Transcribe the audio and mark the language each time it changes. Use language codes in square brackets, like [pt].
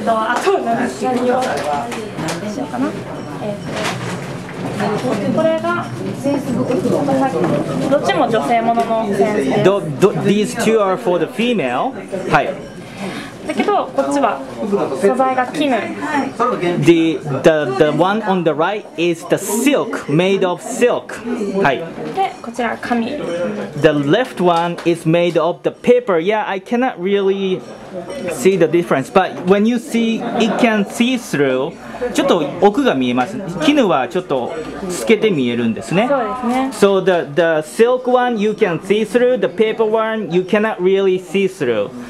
[ja] あと何でしょうかな、これがどっちも女性もののセンスです。 [en] These two are for the female、はい、 [ja] だけどこっちは素材が絹、はい、 [en] the one on the right is the silk, made of silk、はい、 [ja] でこちらは紙、 [en] the left one is made of the paper. Yeah, I cannot really see the difference, but when you see it can see through、 [ja] ちょっと奥が見えます。絹はちょっと透けて見えるんですね。そうですね。 [en] So the silk one you can see through, the paper one you cannot really see through。